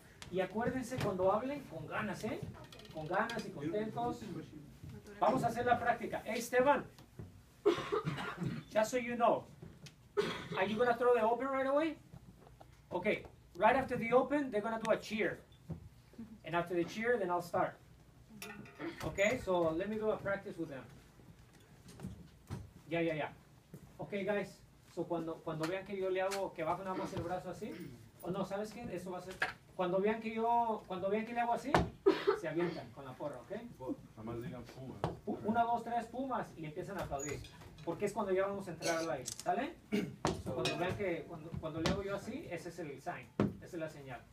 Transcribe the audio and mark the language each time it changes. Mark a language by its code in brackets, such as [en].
[es] Y acuérdense cuando hablen con ganas, ¿eh? Con ganas y contentos. Vamos a hacer la práctica. [en] Hey, Esteban. Just so you know. Are you going to throw the open right away? Okay. Right after the open, they're going to do a cheer. And after the cheer, then I'll start. Okay, so let me do a practice with them. Yeah, yeah, yeah. Okay, guys. [es] So cuando vean que yo le hago, que bajo nada más el brazo así. O no, ¿sabes qué? Eso va a ser... cuando vean que le hago así, se avientan con la porra, ¿ok? Nada más digan Pumas. Una, dos, tres Pumas y empiezan a aplaudir. Porque es cuando ya vamos a entrar al aire, ¿sale? So, cuando vean que, cuando le hago yo así, ese es el sign, esa es la señal.